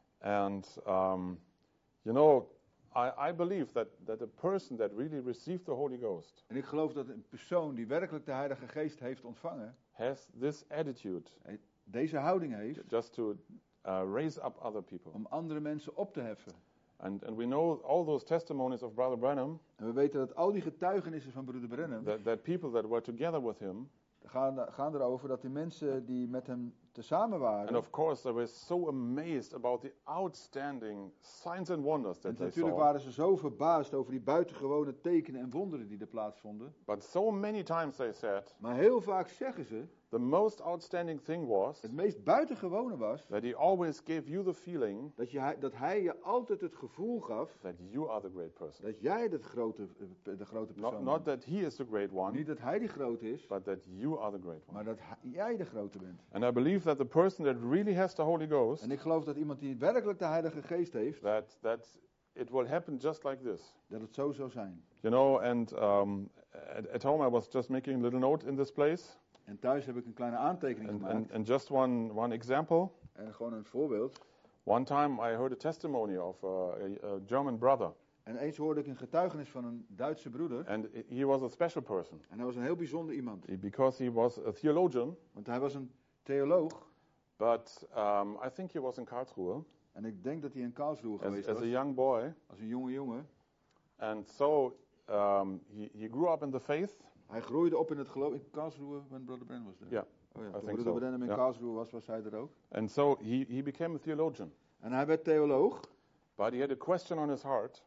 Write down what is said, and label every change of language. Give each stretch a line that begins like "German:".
English: And you know, I believe that a person that really received the Holy Ghost.
Dutch: En ik geloof dat een persoon die werkelijk de Heilige Geest heeft ontvangen,
English: has this attitude.
Dutch: Deze houding heeft.
English: Just to raise up other people.
Dutch: Om andere mensen op te heffen.
English: And we know all those testimonies of Brother Branham.
Dutch: En we weten dat al die getuigenissen van Broeder Branham.
English: That people that were together with him.
Dutch: Gaan erover dat die mensen die met hem tezamen waren.
English: And of course they were so amazed about the outstanding signs and wonders that they saw.
Dutch: Natuurlijk waren ze zo verbaasd over die buitengewone tekenen en wonderen die er plaatsvonden.
English: But so many times they said.
Dutch: Maar heel vaak zeggen ze.
English: The most outstanding thing was.
Dutch: Het meest buitengewone was.
English: That he always gave you the feeling.
Dutch: Dat hij je altijd het gevoel gaf.
English: That you are the great person.
Dutch: Dat jij de grote persoon.
English: Not that he is the great one.
Dutch: Niet dat hij de grote is.
English: But that you are the great one.
Dutch: Maar dat jij de grote bent.
English: And I believe that the person that really has the Holy Ghost.
Dutch: En ik geloof dat iemand die werkelijk de Heilige Geest heeft.
English: That it will happen just like this.
Dutch: Dat het zo zou zijn.
English: You know, and at home I was just making a little note in this place.
Dutch: En thuis heb ik een kleine aantekening gemaakt.
English: And just one example.
Dutch: En gewoon een voorbeeld.
English: One time I heard a testimony of a German brother.
Dutch: En eens hoorde ik een getuigenis van een Duitse broeder.
English: And he was a special person.
Dutch: En hij was een heel bijzonder iemand.
English: Because he was a theologian.
Dutch: Want hij was een theoloog.
English: But I think he was in Karlsruhe.
Dutch: En ik denk dat hij in Karlsruhe geweest was.
English: As a young boy.
Dutch: Als een jonge jongen.
English: And so he grew up in the faith.
Dutch: Hij groeide op in het geloof in Karlsruhe,
English: when Brother Branham was there. Yeah, oh ja, I think Brother so. Branham in yeah.
Dutch: Karlsruhe was hij er ook.
English: And so he became a theologian.
Dutch: En hij werd theoloog.
English: But he had a question on his heart.